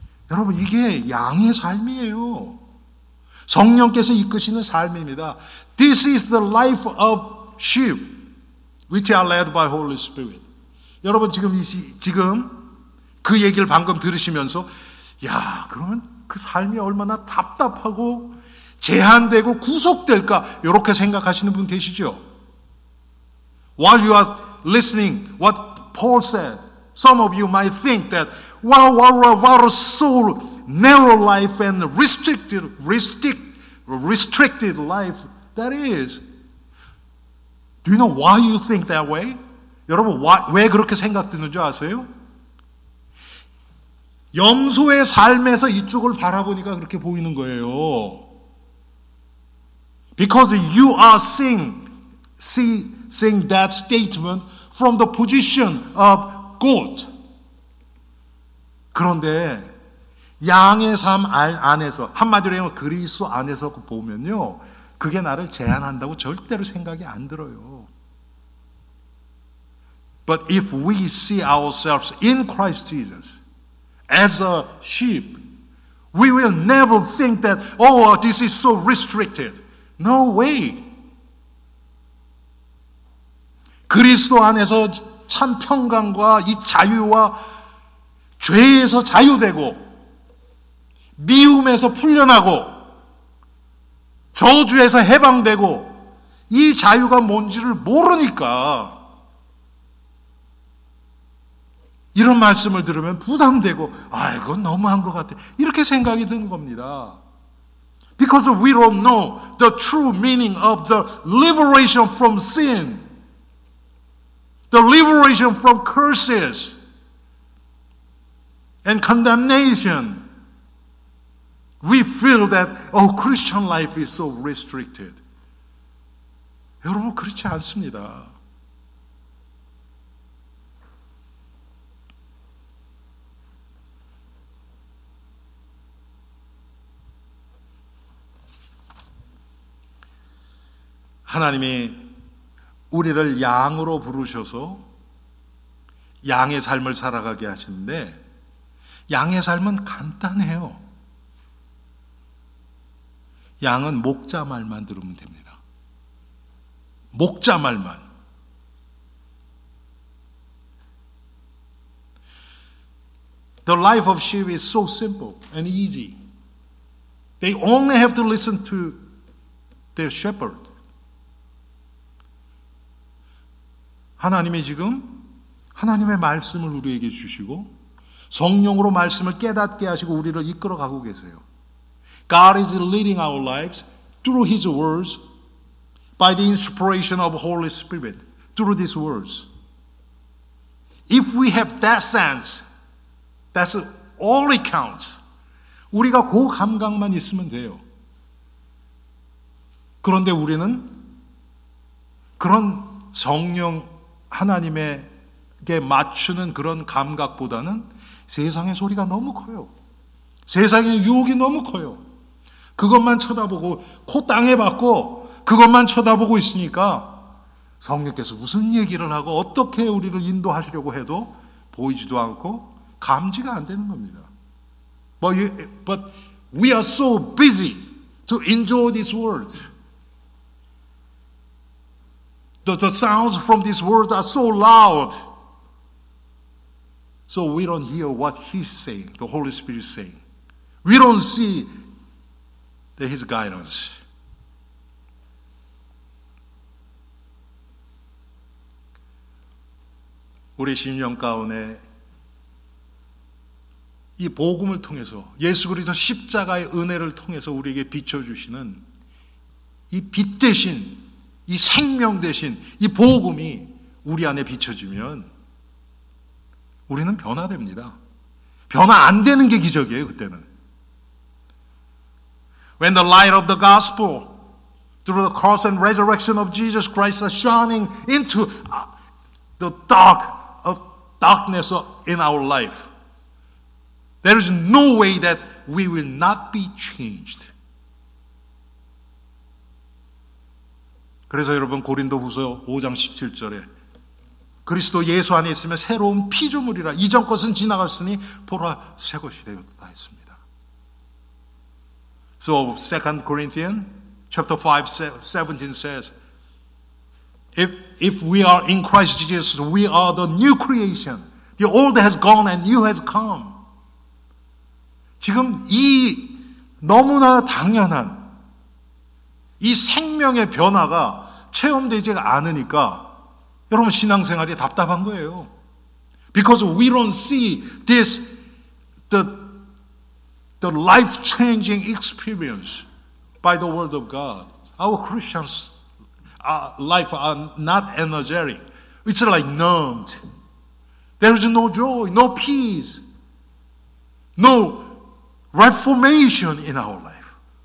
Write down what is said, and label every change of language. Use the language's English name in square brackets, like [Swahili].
[Korean] 여러분, 이게 양의 삶이에요. 성령께서 이끄시는 삶입니다. [English] This is the life of sheep, which are led by Holy Spirit. [Korean] 여러분, 지금 그 얘기를 방금 들으시면서, 야, 그러면 그 삶이 얼마나 답답하고 제한되고 구속될까, 이렇게 생각하시는 분 계시죠? [English] While you are listening what Paul said, some of you might think that, wow, what a so narrow life and restricted life that is. Do you know why you think that way? [Korean] 여러분, 왜 그렇게 생각되는지 아세요? 염소의 삶에서 이쪽을 바라보니까 그렇게 보이는 거예요. [English] Because you are seeing that statement from the position of goat. [Korean] 그런데 양의 삶 안에서, 한마디로 그리스도 안에서 보면요, 그게 나를 제한한다고 절대로 생각이 안 들어요. [English] But if we see ourselves in Christ Jesus, as a sheep, we will never think that, oh, this is so restricted. No way. [Korean] 그리스도 안에서 참 평강과 이 자유와 죄에서 자유되고 미움에서 풀려나고 저주에서 해방되고 이 자유가 뭔지를 모르니까 이런 말씀을 들으면 부담되고, 아이고 너무한 것 같아, 이렇게 생각이 드는 겁니다. [English] Because we don't know the true meaning of the liberation from sin, the liberation from curses and condemnation. We feel that, oh, Christian life is so restricted. [Korean] 여러분, 그렇지 않습니다. 하나님이 우리를 양으로 부르셔서 양의 삶을 살아가게 하시는데, 양의 삶은 간단해요. 양은 목자 말만 들으면 됩니다. 목자 말만. [English] 'The life of sheep is so simple and easy. They only have to listen to their shepherd.' [Korean] 하나님이 지금 하나님의 말씀을 우리에게 주시고 성령으로 말씀을 깨닫게 하시고 우리를 이끌어가고 계세요. [English] God is leading our lives through His words, by the inspiration of Holy Spirit, through these words. If we have that sense, that's all it counts. [Korean] 우리가 그 감각만 있으면 돼요. 그런데 우리는 그런 성령 하나님에게 맞추는 그런 감각보다는 세상의 소리가 너무 커요. 세상의 유혹이 너무 커요. 그것만 쳐다보고 코 땅에 박고 그것만 쳐다보고 있으니까 성령께서 무슨 얘기를 하고 어떻게 우리를 인도하시려고 해도 보이지도 않고 감지가 안 되는 겁니다. [English] But we are so busy to enjoy this world. The sounds from this world are so loud. So we don't hear what He's saying, the Holy Spirit is saying. We don't see His guidance. Our [Korean] 심령 가운데 이 복음을 통해서 예수 그리스도 십자가의 은혜를 통해서 우리에게 비춰주시는 이 빛 대신 이 생명 대신 이 복음이 우리 안에 비춰지면 우리는 변화됩니다. 변화 안 되는 게 기적이에요, 그때는. [English] When the light of the gospel through the cross and resurrection of Jesus Christ is shining into the dark of darkness in our life, there is no way that we will not be changed. [Korean] 그래서 여러분 고린도후서 5장 17절에 그리스도 예수 안에 있으면 새로운 피조물이라 이전 것은 지나갔으니 보라 새 것이 되었다 했습니다. [English] So 2 Corinthians chapter 5 17 says if we are in Christ Jesus we are the new creation. The old has gone and new has come. [Korean] 지금 이 너무나 당연한 이 생명의 변화가 체험되지 않으니까 여러분 신앙생활이 답답한 거예요. [English] Because we don't see this the life-changing experience by the word of God. Our Christians life are not energetic. It's like numbed. There is no joy, no peace, no reformation in our life.